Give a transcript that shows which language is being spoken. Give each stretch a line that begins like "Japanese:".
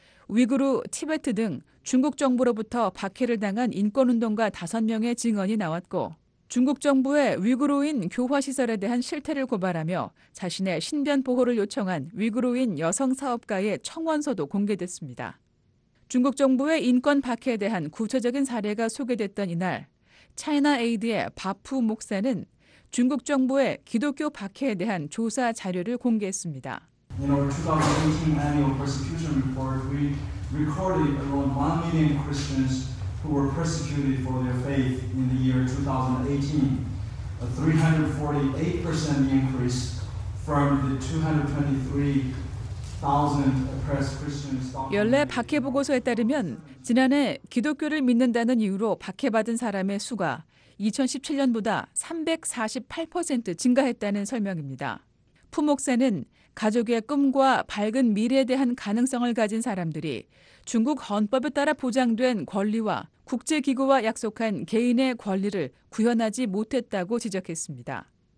Korean: 위구르, 티베트 등 중국 정부로부터 박해를 당한 인권운동가 5명의 증언이 나왔고 중국 정부의 위구르인 교화시설에 대한 실태를 고발하며 자신의 신변 보호를 요청한 위구르인 여성 사업가의 청원서도 공개됐습니다. 중국 정부의 인권 박해에 대한 구체적인 사례가 소개됐던 이날 차이나에이드의 바푸 목사는 중국 정부의 기독교 박해에 대한 조사 자료를 공개했습니다.
English: In our 2018 annual persecution report, we recorded around 1 million Christians who were persecuted for their faith in the year 2018, a 348% increase from the 223,000 oppressed Christians.
Korean: 연례 박해 보고서에 따르면 지난해 기독교를 믿는다는 이유로 박해받은 사람의 수가 2017년보다 348% 증가했다는 설명입니다. 푸 목사는 가족의 꿈과 밝은 미래에 대한 가능성을 가진 사람들이 중국 헌법에 따라 보장된 권리와 국제기구와 약속한 개인의 권리를 구현하지 못했다고 지적했습니다.